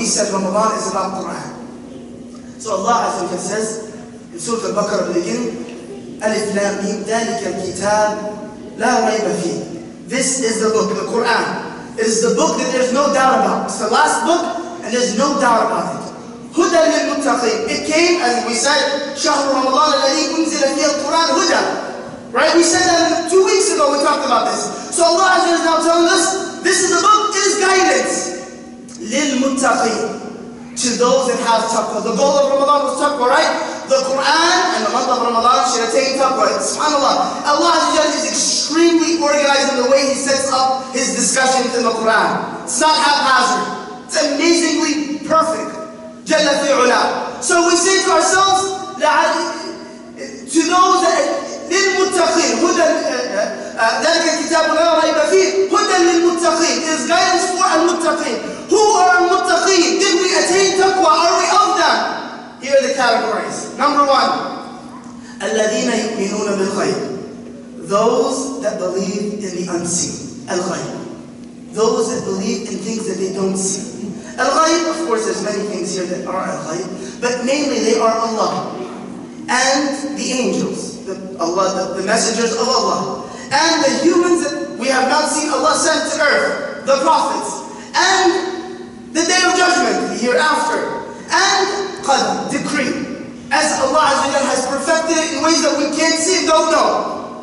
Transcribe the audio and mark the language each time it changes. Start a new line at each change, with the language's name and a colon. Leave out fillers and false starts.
English: We said Ramadan is about Quran. So Allah Azza wa Jalla says in Surah Al-Baqarah beginning,
Arabic: Alif Lam Mim, Dalika Kitab, La Rayba Fi.
English: This is the book, the Quran. It is the book that there's no doubt about. It's the last book and there's no doubt about it.
Arabic: هُدَى لِلْمُتَّقِينَ.
English: It came, as we said,
Arabic: شَهْرُ رَمَضَانَ الَّذِي أُنزِلَ فِيهِ الْقُرْآنَ هُدَى.
English: Right? We said that 2 weeks ago, we talked about this. So Allah Azza wa Jalla is now telling us, this is the book, it is guidance.
Arabic: لِلْمُتَّقِينَ.
English: To those that have taqwa. The goal of Ramadan was taqwa, right? The Quran and the month of Ramadan should attain taqwa. SubhanAllah. Allah Azza wa Jalla is extremely organized in the way He sets up His discussion in the Quran. It's not haphazard. It's amazingly perfect.
Arabic: جَلَّ فِي عُلَى.
English: So we say to ourselves, to know that
Arabic: لِلْمُتَّقِينَ هُدًى ذَلِكَ الْكِتَابُ لَا رَيْبَ فِيهِ هُدًى لِلْمُتَّقِينَ.
English: It is guidance for al-muttaqeen. Who are al-muttaqeen? Did we attain taqwa? Are we of them? Here are the categories. Number one,
Arabic: أَلَّذِينَ يُؤْمِنُونَ بِالْغَيْبِ.
English: Those that believe in the unseen.
Arabic: الْغَيْبِ.
English: Those that believe in things that they don't see. Al-Ghayb, of course, there's many things here that are Al-Ghayb, but mainly they are Allah and the angels, the messengers of Allah, and the humans that we have not seen Allah sent to earth, the prophets, and the Day of Judgment, the hereafter, and Qadr, decree, as Allah Azza wa Jalla has perfected it in ways that we can't see and don't know.